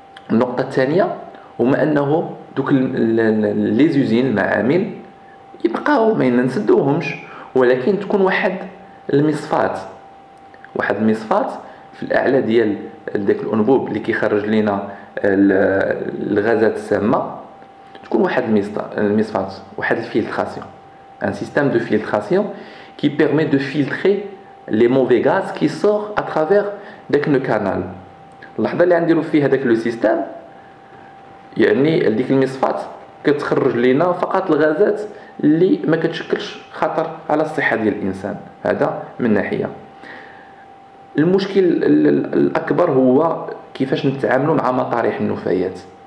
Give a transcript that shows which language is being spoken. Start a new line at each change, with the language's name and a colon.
Arabic: النقطه الثانيه هما انه دوك لي زوزين المعامل يبقاو ما ينسدوهمش، ولكن تكون واحد المصفات، واحد المصفات في الاعلى ديال داك الانبوب اللي كيخرج لنا الغازات السامه، تكون واحد المصفات، واحد الفيلتراسيون.
French: un système de filtration qui permet de filtrer les mauvais gaz qui sortent à travers le canal.
Arabic: L'ahda li ndirou fi hadak le système يعني هذيك المصفات كتخرج لينا فقط الغازات اللي ما كتشكلش خطر على الصحة ديال الإنسان. هذا من ناحية. المشكل الأكبر هو كيفاش نتعامل مع مطارح النفايات.